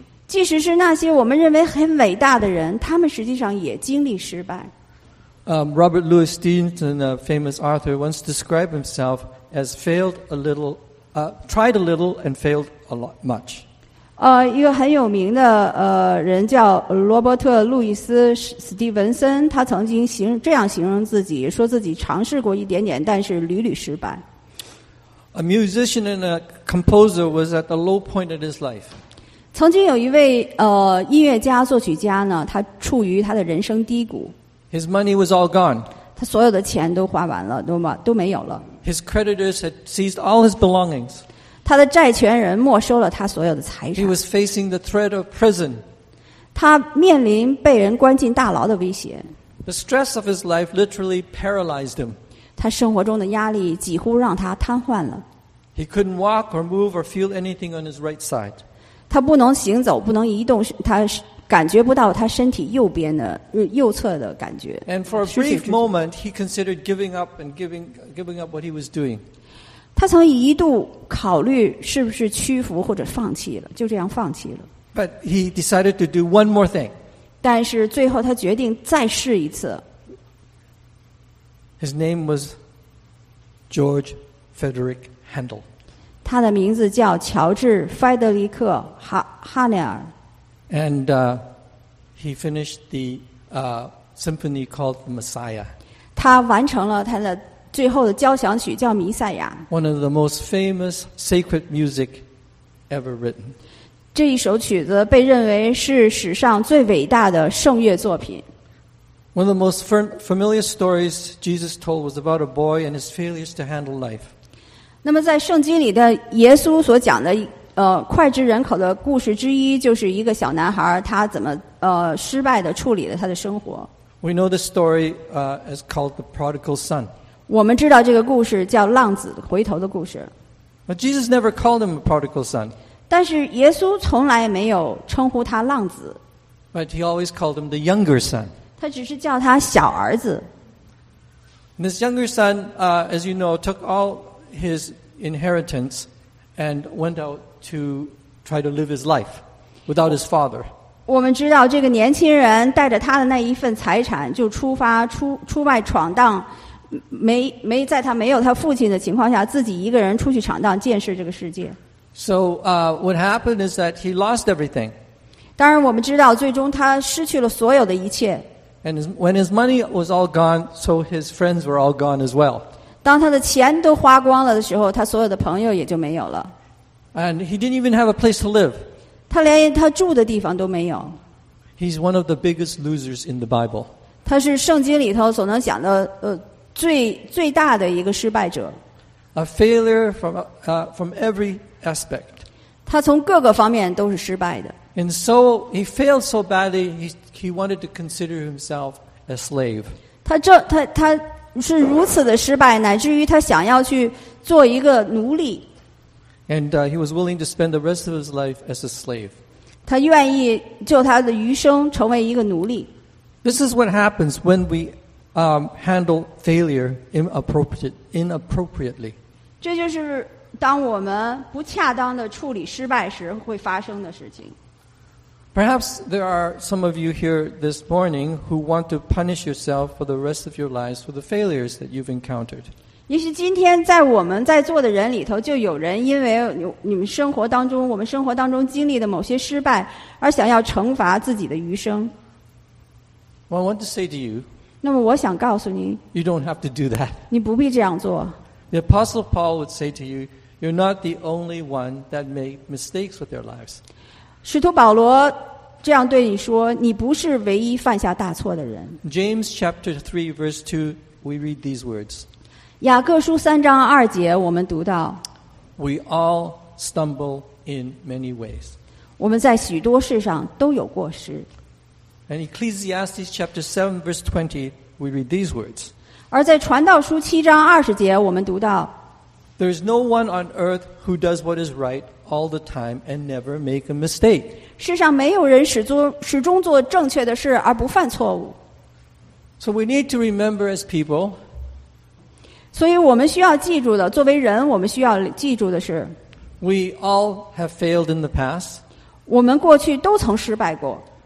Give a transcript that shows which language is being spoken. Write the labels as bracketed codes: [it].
[zh] 即使是那些我们认为很伟大的人，他们实际上也经历失败。 [en] Robert Louis Stevenson, a famous author, once described himself as failed a little, tried a little and failed a lot much. [zh] 一个很有名的人叫罗伯特·路易斯·史蒂文森，他曾经这样形容自己，说自己尝试过一点点，但是屡屡失败。 [en] A musician and a composer was at the low point of his life. [zh] 曾经有一位音乐家、作曲家呢，他处于他的人生低谷。 [en] His money was all gone. [zh] 他所有的钱都花完了，都没有了。 [en] His creditors had seized all his belongings. [zh] 他的债权人没收了他所有的财产。 [en] He was facing the threat of prison. [zh] 他面临被人关进大牢的威胁。 [en] The stress of his life literally paralyzed him. [zh] 他生活中的压力几乎让他瘫痪了。 [en] He couldn't walk or move or feel anything on his right side. [zh] 他不能行走，不能移动，他感觉不到他身体右侧的感觉。 [en] And for a brief moment, he considered giving up and giving up what he was doing. [zh] 他曾一度考虑是不是屈服或者放弃了，就这样放弃了。 [en] But he decided to do one more thing. [zh] 但是最后他决定再试一次。 [en] His name was George Frederick Handel. [zh] 他的名字叫乔治·菲德里克·哈内尔。 [en] And he finished the symphony called the Messiah. [zh] 他完成了他的最后的交响曲，叫《弥赛亚》。 [en] One of the most famous sacred music ever written. [zh] 这一首曲子被认为是史上最伟大的圣乐作品。 [en] One of the most familiar stories Jesus told was about a boy and his failures to handle life. [zh] 那么在圣经里的耶稣所讲的脍炙人口的故事之一，就是一个小男孩他怎么失败的处理了他的生活。 [en] We know the story is called the prodigal son. [zh] 我们知道这个故事叫浪子回头的故事。 [en] But Jesus never called him a prodigal son. [zh] 但是耶稣从来没有称呼他浪子。 [en] But he always called him the younger son. [zh] 他只是叫他小儿子。 [en] And this younger son, as you know, took all his inheritance and went out to try to live his life without his father. [zh] 我们知道这个年轻人带着他的那一份财产就出外闯荡，没在他没有他父亲的情况下自己一个人出去闯荡见识这个世界。 [en] So, what happened is that he lost everything. [zh] 当然我们知道最终他失去了所有的一切。 [en] And when his money was all gone, so his friends were all gone as well. [zh] 当他的钱都花光了的时候他所有的朋友也就没有了。 [en] And he didn't even have a place to live. [zh] 他连他住的地方都没有。 [en] He's one of the biggest losers in the Bible. [zh] 他是圣经里头所能讲的最大的一个失败者。 [en] A failure from every aspect. [zh] 他从各个方面都是失败的。 [en] And so he failed so badly he wanted to consider himself a slave. [zh] 他是如此的失败，乃至于他想要去做一个奴隶。 [en] And he was willing to spend the rest of his life as a slave. [zh] 他愿意就他的余生成为一个奴隶。 [en] This is what happens when we handle failure inappropriately. [zh] 这就是当我们不恰当的处理失败时会发生的事情。 [en] Perhaps there are some of you here this morning who want to punish yourself for the rest of your lives for the failures that you've encountered. [zh] 也许今天在我们在座的人里头就有人因为你们生活当中我们生活当中经历的某些失败而想要惩罚自己的余生。 [en] Well, I want to say to you, [zh] 那么我想告诉你 [en] you don't have to do that. [zh] 你不必这样做。 [en] The Apostle Paul would say to you, you're not the only one that made mistakes with their lives. [zh] 使徒保罗这样对你说，你不是唯一犯下大错的人。 [en] James chapter 3 verse 2 we read these words. [zh] 雅各书三章二节我们读到 [en] We all stumble in many ways. [zh] 我们在许多事上都有过失。 [en] And Ecclesiastes chapter 7 verse 20, we read these words. [zh] 而在传道书七章二十节我们读到 [en] There is no one on earth who does what is right all the time and never make a mistake. [zh] 世上没有人始终做正确的事而不犯错误。 [en] So we need to remember as people, [zh] 所以我们需要记住的，作为人，我们需要记住的是 [en] ，We all have failed in the past. [zh] 我们过去都曾失败过。